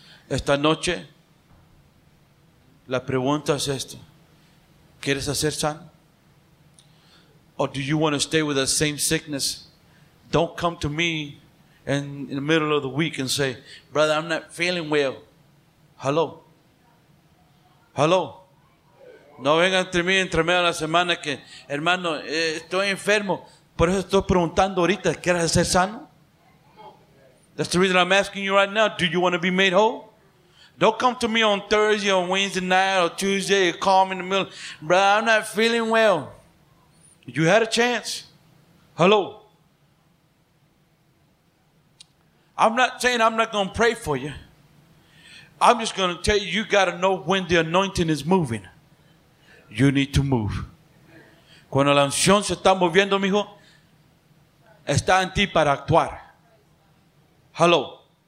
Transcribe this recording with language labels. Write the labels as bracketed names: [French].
[Spanish] Esta noche, la pregunta es esto. ¿Quieres hacer sano? [English] Or do you want to stay with the same sickness? Don't come to me in the middle of the week and say, brother, I'm not feeling well. Hello? Hello? [Spanish] No vengan entre mí entre medio de la semana que, hermano, estoy enfermo. Por eso estoy preguntando ahorita, ¿quieres hacer sano? [English] That's the reason I'm asking you right now. Do you want to be made whole? Don't come to me on Thursday or Wednesday night or Tuesday. Call me in the middle. Bro, I'm not feeling well. You had a chance. Hello. I'm not saying I'm not going to pray for you. I'm just going to tell you, you got to know when the anointing is moving. You need to move. [Spanish] Cuando la unción se está moviendo, mijo, está en ti para actuar. Hello.